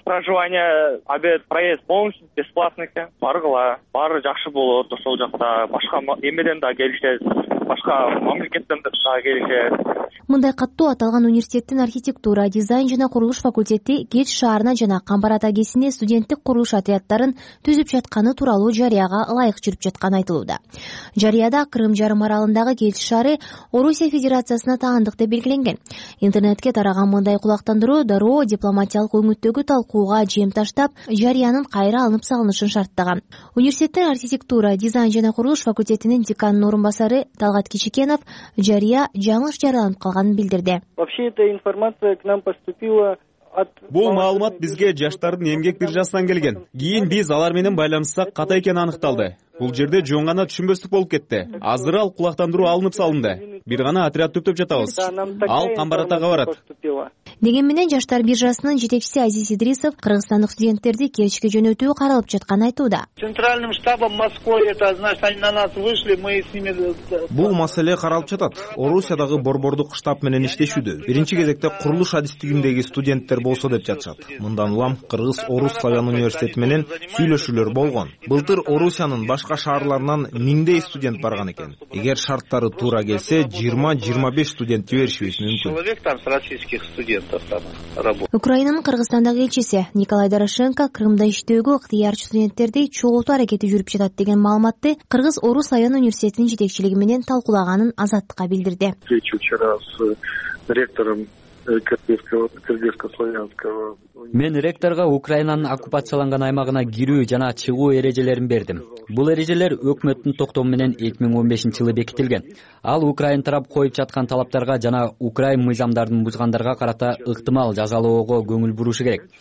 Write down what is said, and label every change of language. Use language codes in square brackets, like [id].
[ru] Проживание, обед, проезд полностью бесплатный экен. [ky] Баргыла, баары жакшы болот ошол жакта. Башка эмеден да келишет, башка мамлекеттен да келишет. Мындай каттоо аталган университеттин архитектура, дизайн жана курулуш факультети Кеч шаарына жана Камбар ата кесине студенттик курулуш отрядтарын түзүп жатканы тууралуу жарыяга ылайык жүрүп жатканы айтылууда. Жарыяда Крым жарым аралындагы Кеч шаары Орусия Федерациясына таандык деп белгиленген. Интернетке тараган мындай кулактандыруу дароо дипломатиялык өңүттөгү талкууга жем таштап, жарыянын кайра алынып салынышын шарттаган. Университеттин архитектура, дизайн жана курулуш факультетинин деканынын орун басары Талгат Кичикенов жарыя жаңыш жарыяланып калганын билдирди. [ru] Вообще эта информация к нам поступила. [ky] Бул маалымат бизге жаштардын эмгек биржасынан келген. Кийин биз алар менен байланышсак ката экени аныкталды. Бул жерде жөн гана түшүнбөстүк болуп кетти. Азыр ал кулактандыруу алынып салынды. Бир гана отряд түптөп жатабыз. Ал Камбар атага барат. Деген менен жаштар биржасынын жетекчиси Азиз Идрисов кыргызстандык студенттерди Керчке жөнөтүү каралып жатканын айтууда. [ru] Центральным штабом Москвы это значит они на нас вышли, мы с ними. [ky] Бул маселе каралып жатат. Орусиядагы борбордук штаб менен иштешүүдө. Биринчи кезекте курулуш адистигиндеги студенттер болсо деп жатышат. Мындан улам Кыргыз Орус Славян университети менен сүйлөшүүлөр болгон. Былтыр Орусиянын башка шаарларынан 1000 студент барган экен. Эгер шарттары туура келсе, 20-25 студент жиберишибиз мүмкүн. Украинанын Кыргызстандагы элчиси Николай Дорошенко Крымда иштөөгө ыктыярчы студенттерди чогултуу аракети жүрүп жатат деген маалыматты Кыргыз Орус Славян университетинин жетекчилиги менен талкуулаганын Азаттыкка билдирди. [ru] Встреча вчера с ректором [ky] Мен ректорго Украинанын оккупацияланган аймагына кирүү жана чыгуу эрежелерин бердим. Бул эрежелер өкмөттүн токтому менен 2015 жылы бекитилген. Ал Украин тарап коюп жаткан талаптарга жана украин мыйзамдарын бузгандарга карата ыктымал жазалоого көңүл буруушу керек.